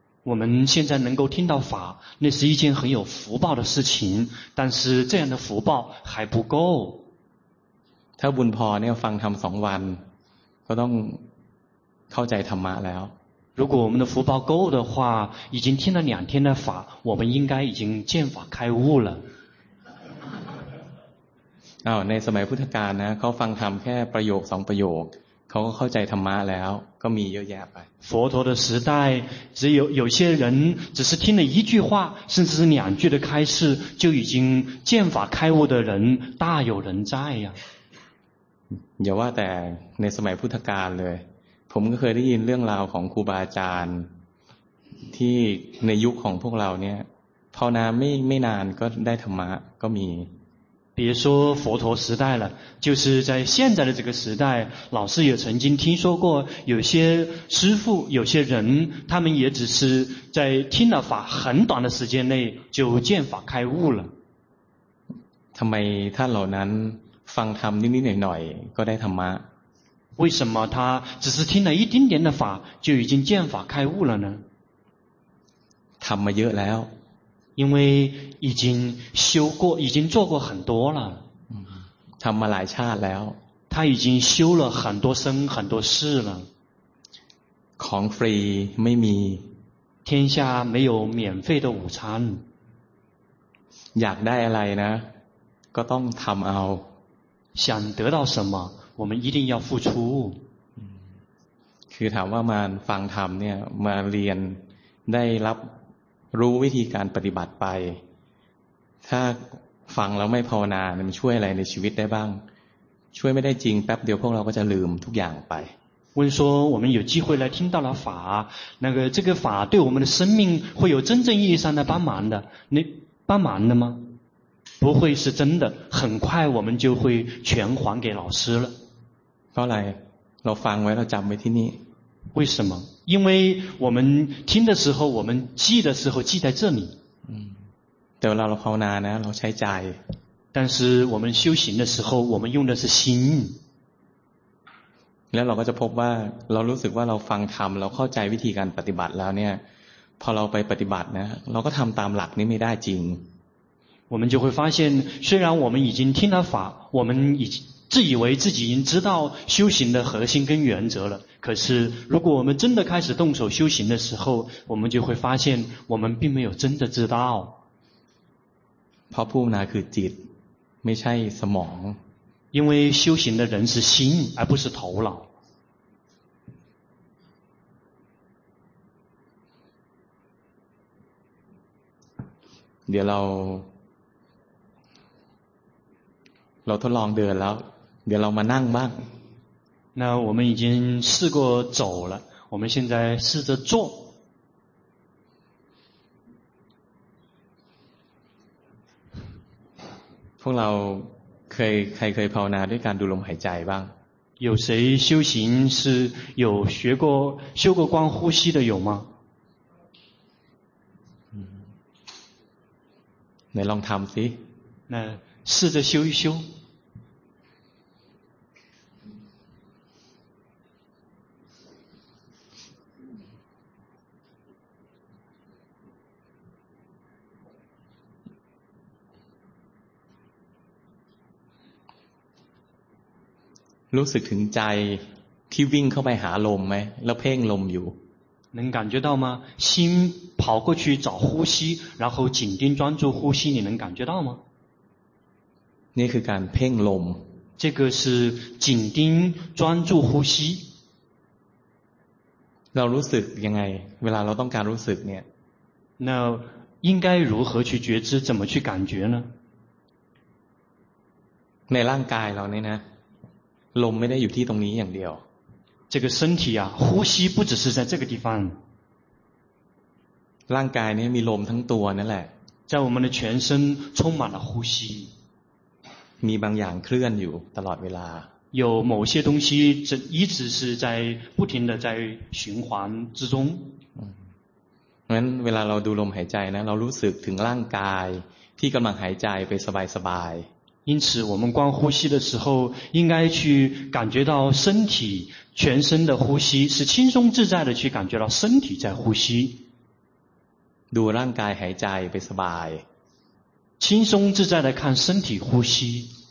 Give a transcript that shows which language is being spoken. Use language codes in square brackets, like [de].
[zh] 我们现在能够听到法那是一件很有福报的事情但是这样的福报还不够 [th] ถ้าบุญพอเนี่ยฟังธรรมสองวันก็ต้องเข้าใจธรรมะแล้ว [zh] 如果我们的福报够的话已经听了两天的法我们应该已经见法开悟了 [th] ในสมัยพุทธกาลนะเขาฟังธรรมแค่ประโยคสองประโยคเขาก็เข้าใจธรรมะแล้วก็มีเยอะแยะไป [zh] 佛陀的时代只有有些人只是听了一句话甚至是两句的开示就已经见法开悟的人大有人在呀 [th] อย่าว่าแต่ในสมัยพุทธกาลเลยผมก็เคยได้ยินเรื่องราวของครูบาอาจารย์ที่ในยุคของพวกเราเนี่ยภาวนาไม่นานก็ได้ธรรมะก็มี [zh] 别说佛陀时代了就是在现在的这个时代老师也曾经听说过有些师父有些人他们也只是在听了法很短的时间内就见法开悟了 [th] ทำไมท่านเหล่านั้น ฟังธรรมนิดๆหน่อยๆก็ได้ธรรมะ [zh] 为什么他只是听了一丁点的法就已经见法开悟了呢 [th] ทำมาเยอะแล้ว [zh] 因为已经修过已经做过很多了 [th] ทำมาหลายชาติแล้ว [zh] 他已经修了很多生很多世了 [th] ของฟรีไม่มี [zh] 天下没有免费的午餐 [th] อยากได้อะไรนะก็ต้องทำเอา [zh] 想得到什么我们一定要付出 [th] คือถามว่ามาฟังธรรมเนี่ยมาเรียนได้รับรู้วิธีการปฏิบัติไปถ้าฟังแล้วไม่ภาวนาเนี่ยมันช่วยอะไรในชีวิตได้บ้างช่วยไม่ได้จริงแป๊บเดียวพวกเราก็จะลืมทุกอย่างไป [zh] 问说我们有机会来听到了法那个这个法对我们的生命会有真正意义上的帮忙的你帮忙的吗不会是真的很快我们就会全还给老师了来 [th] เราฟังไว้เราจำไว้ที่นี่ [zh] 为什么因为我们听的时候我们记的时候记在这里 [th] เดี๋ยวเราภาวนานะเราใช้ใจ [zh] 但是我们修行的时候我们用的是心 [th] แล้วเราก็จะพบว่าเรารู้สึกว่าเราฟังธรรมเราเข้าใจวิธีการปฏิบัติแล้วเนี่ยพอเราไปปฏิบัตินะเราก็ทำตามหลักนี้ไม่ได้จริง [zh] 我们就会发现虽然我们已经听了法我们已自以为自己已经知道修行的核心跟原则了可是如果我们真的开始动手修行的时候我们就会发现我们并没有真的知道 [th] เพราะภาวนาคือจิตไม่ใช่สมอง [zh] 因为修行的人是心而不是头脑 [th] เดี๋ยวเราทดลองเดินแล้วเดี๋ยวเรามานั่งบ้าง [zh] 那我们已经试过走了我们现在试着坐 [th] พวกเราเคยภาวนาด้วยการดูลมหายใจบ้าง [zh] 有谁修行是有学过修过观呼吸的有吗 [th] ไหนลองทำสิ [zh] 那试着修一修 [th] รู้สึกถึงใจที่วิ่งเข้าไปหาลมไหมแล้วเพ่งลมอยู่ [zh] 能感觉到吗心跑过去找呼吸然后紧盯专注呼吸你能感觉到吗 [th] นี่คือการเพ่งลม [zh] 这个是紧盯专注呼吸 [th] เรารู้สึกยังไงเวลาเราต้องการรู้สึกเนี่ย [zh] 那应该如何去觉知怎么去感觉呢 [th] ในร่างกายเราเนี่ยนะลมไม่ได้อยู่ที่ตรงนี้อย่างเดียว [zh] 这个身体啊呼吸不只是在这个地方 [th] ร่างกายนี้มีลมทั้งตัวนั่นแหละ [zh] 在我们的全身充满了呼吸 [th] มีบางอย่างเคลื่อนอยู่ตลอดเวลา [zh] 有某些东西一直是在不停的在循环之中 [th] งั้นเวลาเราดูลมหายใจนะเรารู้สึกถึงร่างกายที่กำลังหายใจไปสบายสบาย [zh] 因此我们观呼吸的时候应该去感觉到身体全身的呼吸是轻松自在的去感觉到身体在呼吸 [th] ดูร่างกายหายใจไปสบาย [zh] 轻松自在的看身体呼吸